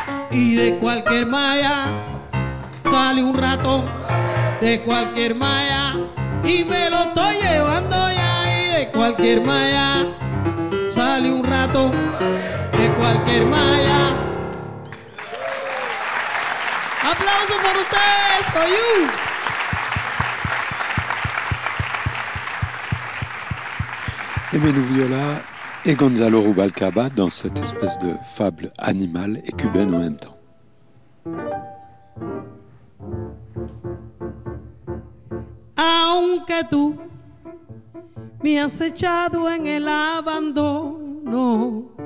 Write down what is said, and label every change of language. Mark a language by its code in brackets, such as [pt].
[es] Y de cualquier malla sale un ratón, de cualquier malla, y me lo estoy llevando ya. Y de cualquier malla sale un ratón, de cualquier malla. ¡Aplausos para ustedes, Coyú! [fr] Aimé Nouviola et Gonzalo Rubalcaba dans cette espèce de fable animale et cubaine en même temps. [es] Aunque tú me has echado en el abandono,